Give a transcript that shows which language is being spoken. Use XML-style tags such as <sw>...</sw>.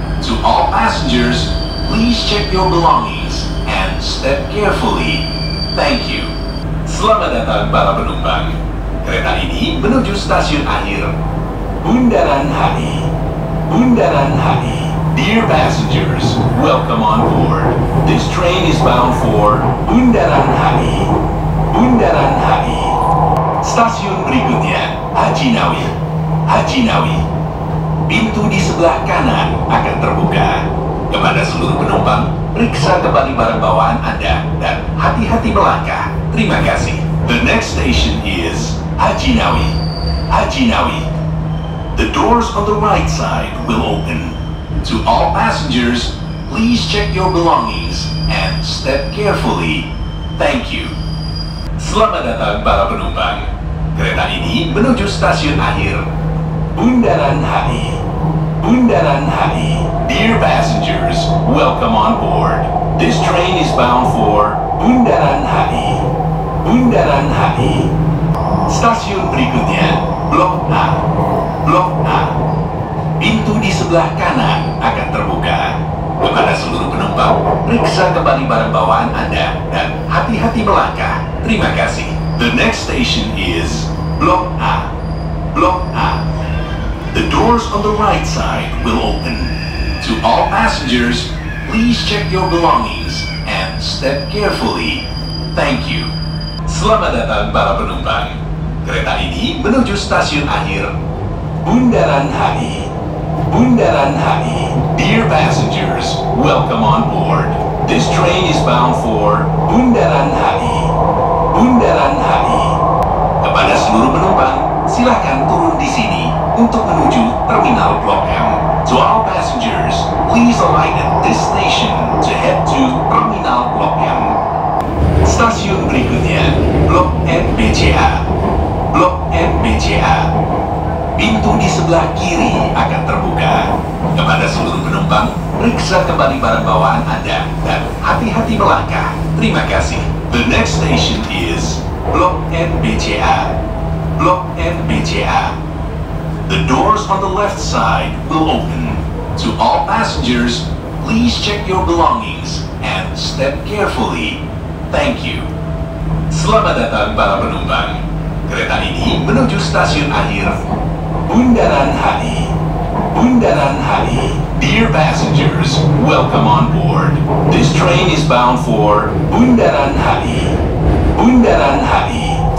<en>To all passengers, please check your belongings and step carefully. Thank you.</en> <id>Selamat datang para penumpang. Kereta ini menuju stasiun akhir. Bundaran HI. Bundaran HI.</id> <en>Dear passengers, welcome on board. This train is bound for Bundaran HI. Bundaran HI.</en> <id>Stasiun berikutnya, Hajinawi. Hajinawi. Pintu di sebelah kanan akan terbuka. Kepada seluruh penumpang, periksa kembali barang bawaan Anda dan hati-hati melangkah. Terima kasih.</id> <en>The next station is Hajinawi. Hajinawi. The doors on the right side will open. To all passengers, please check your belongings and step carefully. Thank you.</en> <id>Selamat datang para penumpang. Kereta ini menuju stasiun akhir. Bundaran HI. Bundaran HI.</id> <en>Dear passengers, welcome on board. This train is bound for Bundaran HI. Bundaran HI.</en> <id>Stasiun berikutnya, Blok A. Blok A. Pintu di sebelah kanan akan terbuka. Kepada seluruh penumpang, periksa kembali barang bawaan Anda dan hati-hati melangkah. Terima kasih.</id> <en>The next station is Blok A. Blok A. The doors on the right side will open. To all passengers, please check your belongings and step carefully. Thank you.</en> <id>Selamat datang para penumpang. Kereta ini menuju stasiun akhir. Bundaran HI. Bundaran HI.</id> <en>Dear passengers, welcome on board. This train is bound for Bundaran HI.</en> <id>Bundaran HI. Kepada seluruh penumpang, silakan turun di sini untuk menuju terminal Blok M.</id> <en>To all passengers, please alight at this station to head to terminal Blok M.</en> <id>Stasiun berikutnya, Blok M BCA. Blok M BCA. Pintu di sebelah kiri akan terbuka. Kepada seluruh penumpang, periksa kembali barang bawaan Anda dan hati-hati melangkah. Terima kasih.</id> <en>The next station is Blok M BCA. Blok M BCA. The doors on the left side will open. To all passengers, please check your belongings and step carefully. Thank you.</en> <id>Selamat datang para penumpang. Kereta ini menuju stasiun akhir. Bundaran HI. Bundaran HI.</id> <en>Dear passengers, welcome on board. This train is bound for Bundaran HI. Bundaran HI.</en>